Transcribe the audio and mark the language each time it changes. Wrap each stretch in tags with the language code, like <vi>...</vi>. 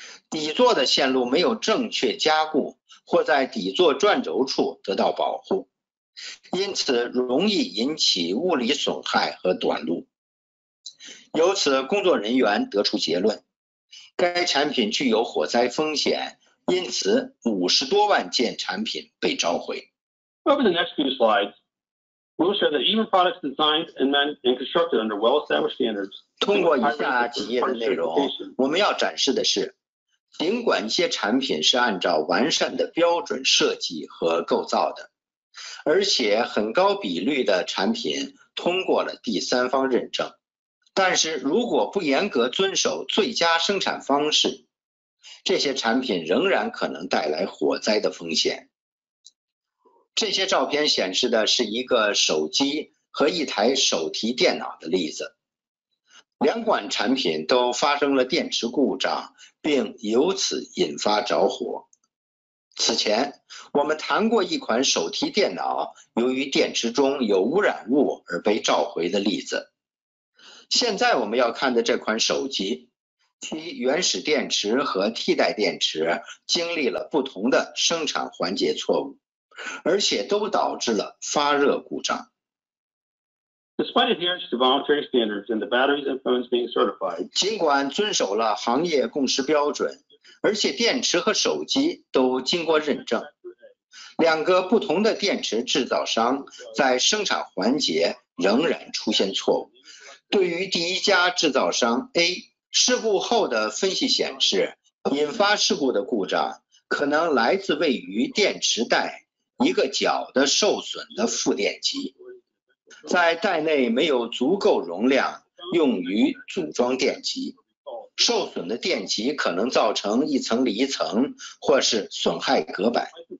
<zh>底座的线路没有正确加固或在底座转轴处得到保护，因此容易引起物理损害和短路。由此，工作人员得出结论。该产品具有火灾风险，因此50多万件产品被召回。</zh> <en>Over the next few slides, we will show that even products designed and constructed under well-established standards.</en> <zh>通过以下几页的内容，我们要展示的是，尽管一些产品是按照完善的标准设计和构造的，而且很高比率的产品通过了第三方认证。但是如果不严格遵守最佳生产方式，这些产品仍然可能带来火灾的风险。这些照片显示的是一个手机和一台手提电脑的例子，两款产品都发生了电池故障，并由此引发着火。此前我们谈过一款手提电脑由于电池中有污染物而被召回的例子，现在我们要看的这款手机，其原始电池和替代电池经历了不同的生产环节错误，而且都导致了发热故障。</zh> <en>Despite adherence to voluntary standards and the batteries and phones being certified,</en> <zh>尽管遵守了行业共识标准，而且电池和手机都经过认证，两个不同的电池制造商在生产环节仍然出现错误。对于第一家制造商 A， 事故后的分析显示，引发事故的故障可能来自位于电池带一个角的受损的负电极，在带内没有足够容量用于组装电极，受损的电极可能造成一层离层或是损害隔板，</zh>